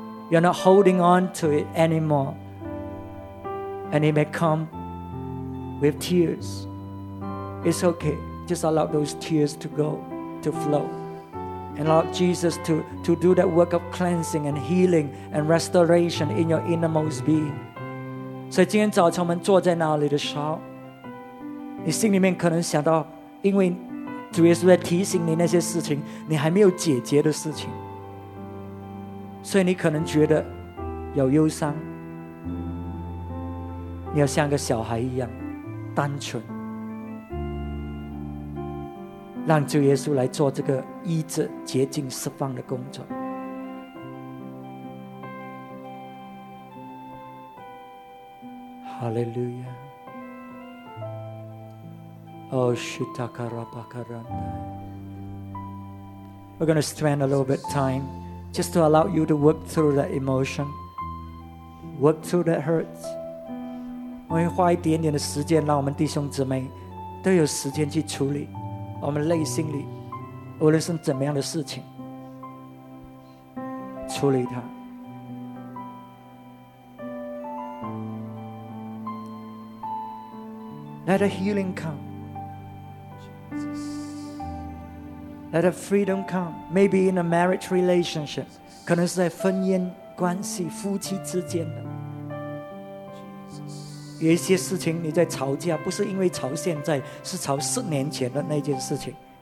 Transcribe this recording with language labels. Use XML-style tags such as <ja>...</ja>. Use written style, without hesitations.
<en>You're not holding on to it anymore. And it may come with tears. It's okay. Just allow those tears to go, to flow. And allow Jesus to do that work of cleansing and healing and restoration in your innermost being. So today,</en> <zh>早晨我们坐在那里的时候，你心里面可能想到，因为主耶稣在提醒你那些事情，你还没有解决的事情，所以你可能觉得有忧伤。你要像个小孩一样单纯，让主耶稣来做这个医治、洁净、释放的工作。</zh> <en>Hallelujah. Oh, Shitakarabakaranda. We're going to spend a little bit of time just to allow you to work through that emotion, work through that hurts.</en> <zh>我们花一点点的时间，让我们弟兄姊妹都有时间去处理我们内心里，无论是怎么样的事情，处理它。</zh> <en>Let a healing come. Let a freedom come. Maybe in a marriage relationship.</en> <zh>可能是在婚姻关系夫妻之间的。有一些事情你在吵架，不是因为吵现在，是吵十年前的那件事情。</zh>